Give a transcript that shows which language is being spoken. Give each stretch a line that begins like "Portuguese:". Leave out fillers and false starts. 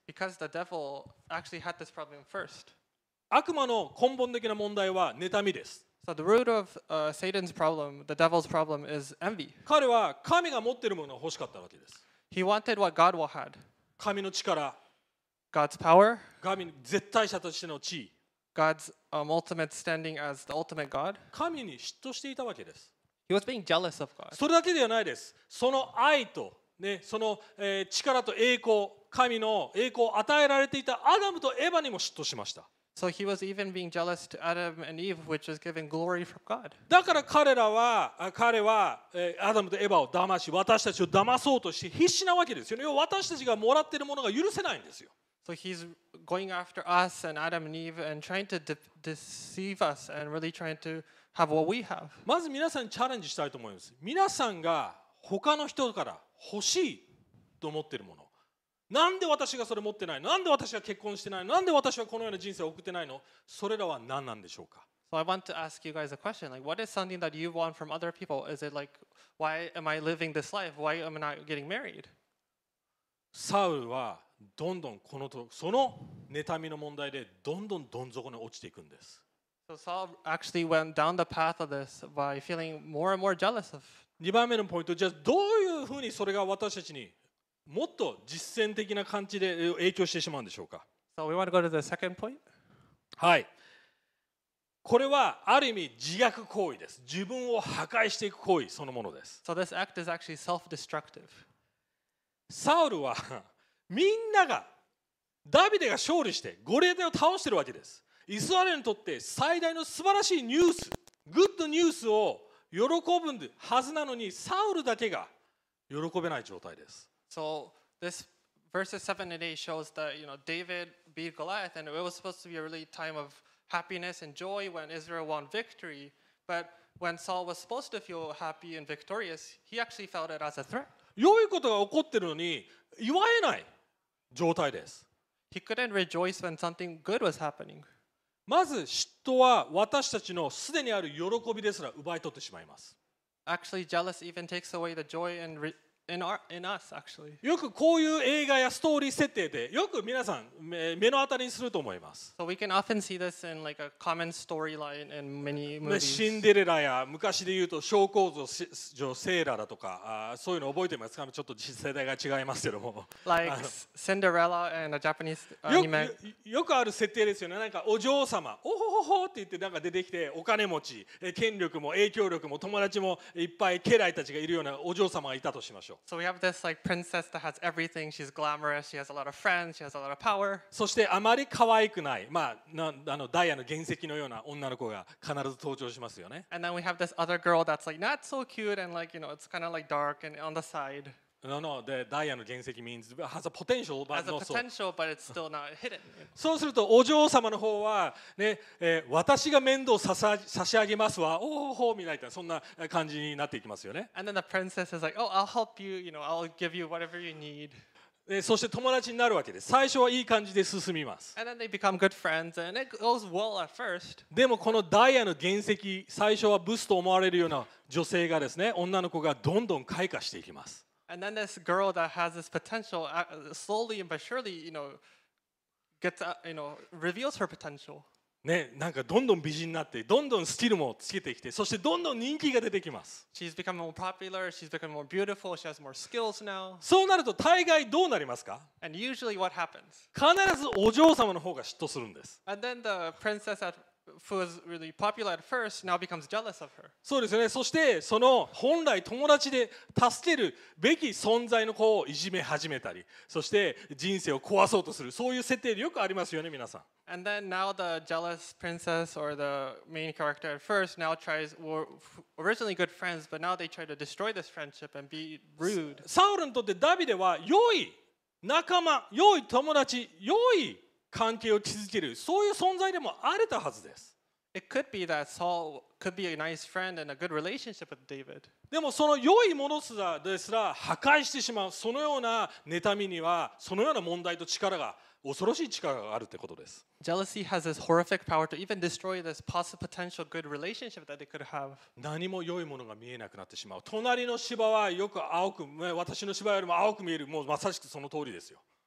English: Because the devil actually had this problem first.
Japanese: 悪魔の根本的な問題は妬みです。
English: So the root of Satan's problem, the devil's problem, is envy.
Japanese: 彼は神が持っているものを欲しかったわけです。
English: He wanted what God had.
Japanese: 神の力。
English: God's power.
Japanese: 神絶対者としての地位。
English: God's ultimate standing as the ultimate God.
Japanese: 神に嫉妬していたわけです。
English: He was being jealous of God.
Japanese: それだけではないです。その愛と、ね、その、力と栄光、神の栄光を与えられていたアダムとエヴァにも嫉妬しました。
English: So he was even being jealous to Adam and Eve, which is given glory from God.
Japanese: だから彼はアダムとエヴァを騙し、私たちを騙そうとして必死なわけですよね。要は私たちがもらっているものが許せないんですよ。
English: So he's going after us and Adam and Eve and trying to deceive us and really trying to have what we have.
Japanese: まず皆さんにチャレンジしたいと思います。皆さんが他の人から欲しいと思っているもの。なんで私がそれ持ってない？なんで私が結婚してない？なんで私はこのような人生を送ってないの？それらは何なんでしょうか？
English: So I want to ask you guys a question. Like, what is something that you want from other people? Is it like, why am I living this life? Why am I not getting married?
Japanese: サウルはどんどんこのとその妬みの問題でどんどんどん底に落ちていくんです。
English: So Saul actually went down the path of this by feeling more and more jealous of.
Japanese: 2番目のポイント、じゃあどういうふうにそれが私たちにもっと実践的な感じで影響してしまうんでしょうか。
English: So we want to go to the second point.
Japanese: はい。これはある意味自虐行為です。自分を破壊していく行為そのものです。
English: So this act is actually self-destructive.
Japanese: サウルはみんながダビデが勝利してゴリアテを倒しているわけです。イスラエルにとって最大の素晴らしいニュース、グッドニュースを喜ぶはずなのにサウルだけが喜べない状態です。
English: So this verses 7 and 8 shows that you know David beat Goliath and it was supposed to be a really time of happiness and joy when Israel won victory but when Saul was supposed to feel happy and victorious he actually felt it as a threat.
Japanese: 良いことが起こってるのに祝えない状態です。
English: He couldn't rejoice when something good was happening.
Japanese: まず嫉妬は私たちのすでにある喜びですら奪い取ってしまいます。
English: Actually jealous even takes away the joy and In us, actually.
Japanese: よくこういう映画やストーリー設定でよく皆さん目の当たりにすると思います。
English: So we can often see this in like a common storyline in many movies.
Japanese: シンデレラや昔で言うと小公女セーラだとかそういうの覚えてますか？ちょっと世代が違いますけども。
English: Like Cinderella and a Japanese anime.
Japanese: よくある設定ですよね。なんかお嬢様、おほほほって言ってなんか出てきてお金持ち、権力も影響力も友達もいっぱい家来たちがいるようなお嬢様がいたとしましょう。
English: So we have this like princess that has everything. She's glamorous. She has a lot of friends. She has a lot of power.
Japanese: そしてあまり可愛くない、まあ、なあのダイヤの原石のような女の子が必ず登場しますよね。
English: And then we have this other girl that's like not so cute and like, you know, it's kind of like dark and on the side. No, no. The diamond 原石 means has a potential, but has a potential, but it's still not hidden.
Japanese: そうするとお嬢様の方はね、私が面倒差し上げますわ。おほみたいなそんな感じになっていきますよね。
English: And then the princess is like, oh, I'll help you. You know, I'll give you whatever you need.
Japanese: そして友達になるわけです。最初はいい感じで進みます。
English: And then they become good friends, and it goes well at first.
Japanese: でもこのダイヤの原石、最初はブスと思われるような女性がですね、女の子がどんどん開花していきます。
English: And then this girl that has this potential slowly but surely, you know, gets, you know, reveals her potential.
Japanese: ね、なんかどんどん美人になって、どんどんスキルもつけてきて、そしてどんどん人気が出てきます。
English: She's becoming more popular. She's becoming more beautiful. She has more skills now.
Japanese: そうなると大概どうなりますか？
English: And usually what happens?
Japanese: 必ずお嬢様の方が嫉妬するんです。
English: And then the princess at who was really popular at first now becomes jealous of her.
Japanese: そうですね。そしてその本来友達で助けるべき存在の子をいじめ始めたり、そして人生を壊そうとする、そういう設定でよくありますよね、皆さん。
English: And then now the jealous princess or the main character at first now tries were originally good friends, but now they try to destroy this friendship and be rude.
Japanese: サウルにとってダビデは良い仲間、良い友達、良い関係を築ける、そういう存在でもあれたはずです。
English: It could be that Saul could be a nice friend and a good relationship with David.
Japanese: でもその良いものですら破壊してしまう、そのような妬みにはそのような問題と力が、恐ろしい力があるってことです。
English: Jealousy has this horrific power to even destroy this possible potential good relationship that they could have.
Japanese: 何も良いものが見えなくなってしまう。隣の芝はよく青く、私の芝よりも青く見える、もうまさしくその通りですよ。